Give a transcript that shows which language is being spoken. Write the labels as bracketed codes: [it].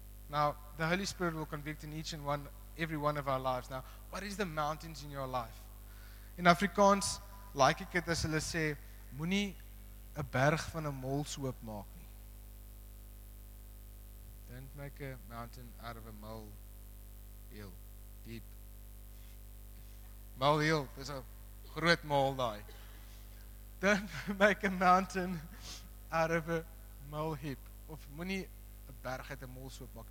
[en] Now, the Holy Spirit will convict in each and one, every one of our lives. Now, what is the mountains in your life? In Afrikaans, like [af] ek het as hulle sê, moenie 'n berg van 'n molshoop maak. [en] Don't make a mountain out of a mole hill. Deep. Mole hill. There's a groot mole daai. Don't make a mountain out of a mole heap. [af] Of moenie 'n berg uit 'n molshoop maak.